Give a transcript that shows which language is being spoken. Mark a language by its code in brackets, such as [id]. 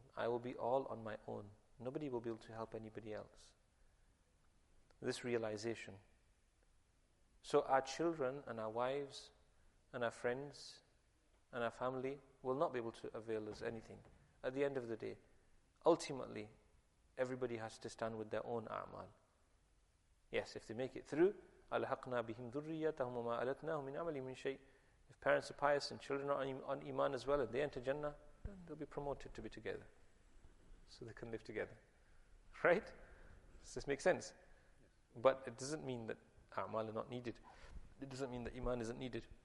[en] I will be all on my own. Nobody will be able to help anybody else. This realization. So our children and our wives and our friends and our family will not be able to avail us anything. At the end of the day, ultimately, everybody has to stand with their own a'mal. Yes, if they make it through, [ar] أَلْحَقْنَا بِهِمْ ذُرِّيَّةَهُمْ وَمَا أَلَتْنَاهُمْ مِنْ عَمَلِهِمْ مِنْ شَيْءٍ. [en] If parents are pious and children are on iman as well, and they enter Jannah, then they'll be promoted to be together. So they can live together. Right? Does this make sense? But it doesn't mean that a'mal are not needed. It doesn't mean that iman isn't needed.